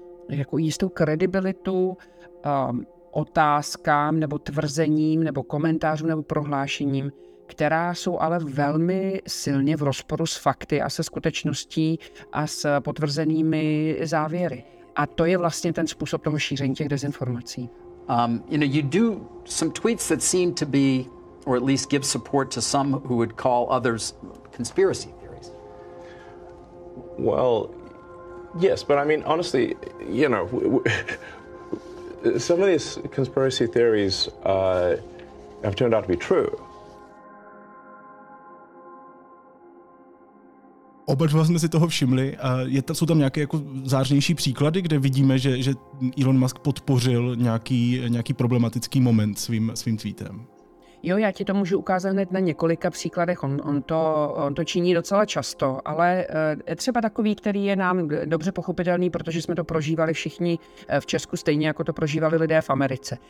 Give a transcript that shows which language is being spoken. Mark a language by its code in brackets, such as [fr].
[cs] jako jistou kredibilitu otázkám nebo tvrzením nebo komentářům nebo prohlášením, která jsou ale velmi silně v rozporu s fakty a se skutečností a s potvrzenými závěry. A to je vlastně ten způsob toho šíření těch dezinformací. [en] You know, you do some tweets that seem to be, or at least give support to some who would call others conspiracy theories. Well, yes, but I mean, honestly, you know, some of these conspiracy theories have turned out to be true. [cs] Oba dva jsme si toho všimli. Jsou tam nějaké jako zářnější příklady, kde vidíme, že Elon Musk podpořil nějaký problematický moment svým tweetem? Jo, já ti to můžu ukázat hned na několika příkladech. On to činí docela často, ale třeba takový, který je nám dobře pochopitelný, protože jsme to prožívali všichni v Česku stejně, jako to prožívali lidé v Americe.